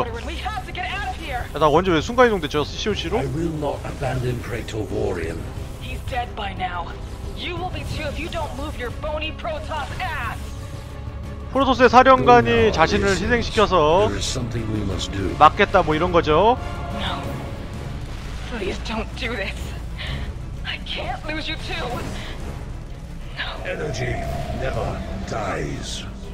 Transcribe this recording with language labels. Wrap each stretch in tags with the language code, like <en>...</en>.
<ko>야, 나 언제 왜 순간이동 됐죠? COC로?</ko> <en>I will not abandon Praetor Vorian. He's dead by now. You will be too if you don't move your bony Protoss ass.</en> <ko>프로토스의 사령관이 자신을 희생시켜서 막겠다 뭐 이런 거죠.</ko> <en>No. Please don't do this. I can't lose you too. No. Energy never dies.</en>